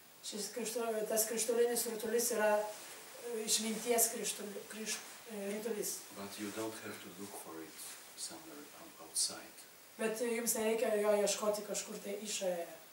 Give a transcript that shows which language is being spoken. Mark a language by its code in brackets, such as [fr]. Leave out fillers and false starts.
[lt] Šis krištolinis rutulys yra išminties rutulys. [en] But you don't have to look for it somewhere outside. [lt] Bet jums nereikia jo ieškoti kažkur tai išorėje.